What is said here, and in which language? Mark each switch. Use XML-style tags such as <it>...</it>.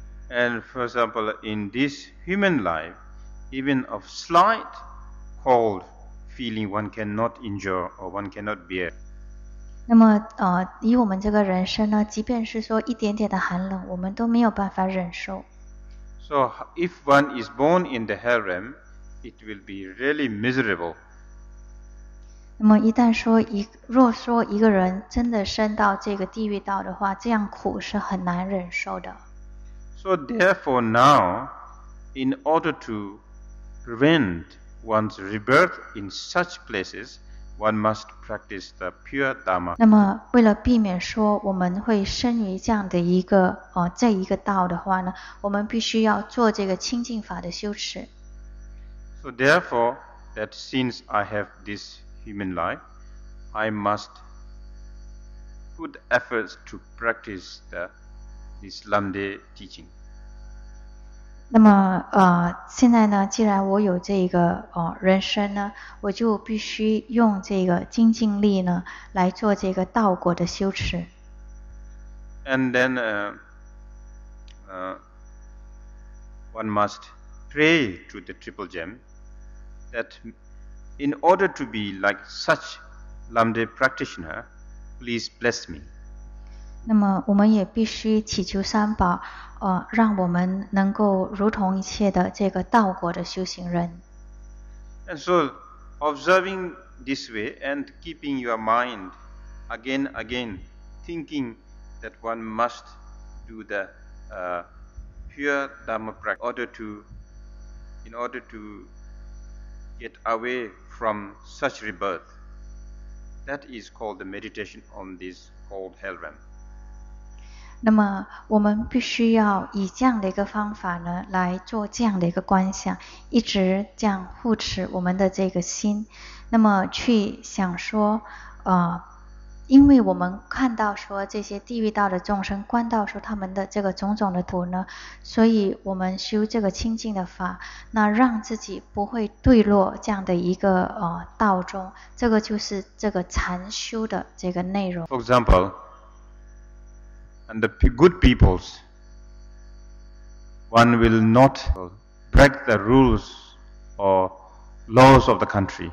<en>And for example, in this human life, even of slight cold feeling, one cannot endure or one cannot bear.</en> <zh>那么以我们这个人生呢，即便是说一点点的寒冷，我们都没有办法忍受。</zh> <en>So if one is born in the hell realm, it will be really miserable.</en> <zh>那么一旦说若说一个人真的生到这个地狱道的话，这样苦是很难忍受的。</zh> <en>So therefore now, in order to prevent one's rebirth in such places, one must practice the pure Dharma.</en> <zh>那么为了避免说我们会生于这样的一个这一个道的话呢，我们必须要做这个清净法的修持。</zh> <en>So therefore, that since I have this human life, I must put efforts to practice theIs Lamde teaching.</en> <zh>那么现在呢，既然我有这个人生呢，我就必须用这个精进力呢来做这个道果的修持。</zh> <en>And then one must pray to the Triple Gem that in order to be like such Lamde practitioner, please bless me.</en> <zh>那么我们也必须祈求三宝让我们能够如同一切的这个道果的修行人。</zh> <en>And so, observing this way and keeping your mind again, again, thinking that one must do the pure Dharma practice in order to get away from such rebirth. That is called the meditation on this cold hell realm.</en> <zh>那么我们必须要以这样的一个方法呢来做这样的一个观想，一直这样护持我们的这个心，那么去想说因为我们看到说这些地狱道的众生观到说他们的这个种种的苦呢，所以我们修这个清净的法，那让自己不会堕落这样的一个道中，这个就是这个禅修的这个内容。</zh> <en>For example,And the good peoples, one will not break the rules or laws of the country.</en>